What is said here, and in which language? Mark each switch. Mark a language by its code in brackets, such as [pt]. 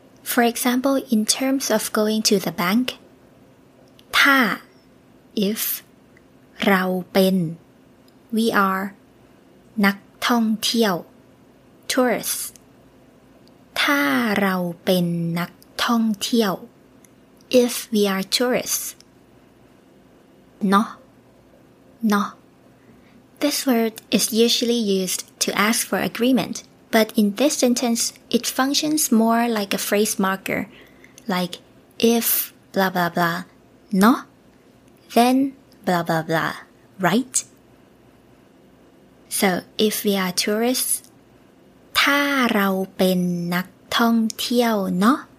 [en] for example in terms of going to the bank [th] ถ้า if เราเป็น [en] we are [th] นักท่องเที่ยว [en] tourists [th] ถ้าเราเป็นนักท่องเที่ยว [en] if we are tourists [th] เนาะ [en] this word is usually used to ask for agreement but in this sentence it functions more like a phrase marker like if blah blah blah [th] เนาะ [en] Then blah blah blah, right? So, if we are tourists, [th] ถ้าเราเป็นนักท่องเที่ยวเนาะ